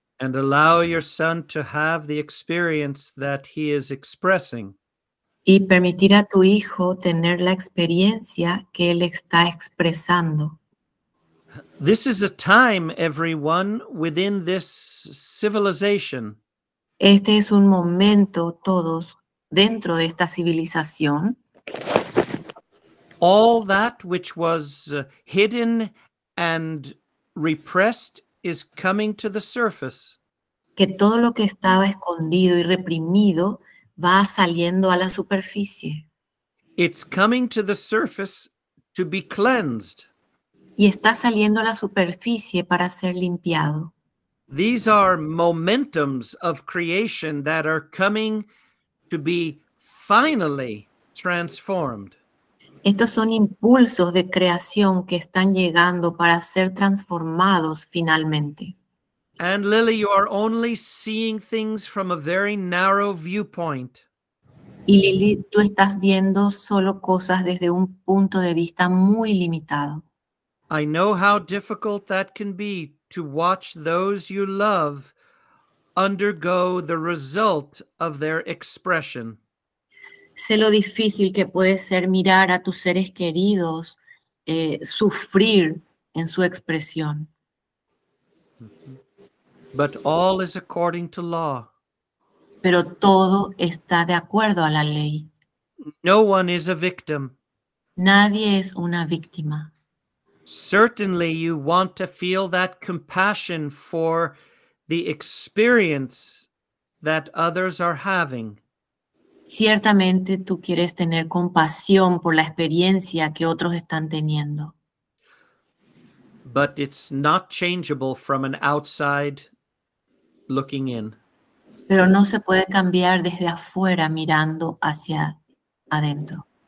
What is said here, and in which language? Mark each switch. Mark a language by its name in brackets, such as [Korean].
[English] And allow your son to have the experience that he is expressing. [Spanish] Y permitir a tu hijo tener la experiencia que él está expresando. [English] This is a time, everyone, within this civilization. [Spanish] Este es un momento, todos, dentro de esta civilización. [English] All that which was hidden and repressed is coming to the surface. [Spanish] Que todo lo que estaba escondido y reprimido va saliendo a la superficie. [English] It's coming to the surface to be cleansed. [Spanish] Y está saliendo a la superficie para ser limpiado. [English] These are momentums of creation that are coming to be finally transformed. [Spanish] Estos son impulsos de creación que están llegando para ser transformados finalmente. [English] And Lily, you are only seeing things from a very narrow viewpoint. [Spanish] Y Lily, tú estás viendo solo cosas desde un punto de vista muy limitado. [English] I know how difficult that can be to watch those you love undergo the result of their expression. [Spanish] Sé lo difícil que puede ser mirar a tus seres queridos sufrir en su expresión. [English] But all is according to law. [Spanish] Pero todo está de acuerdo a la ley. [English] No one is a victim. [Spanish] Nadie es una víctima. [English] Certainly you want to feel that compassion for the experience that others are having. [Spanish] Ciertamente tú quieres tener compasión por la experiencia que otros están teniendo. [English] But it's not changeable from an outside looking in. [Spanish] Pero no se puede cambiar desde afuera mirando hacia adentro.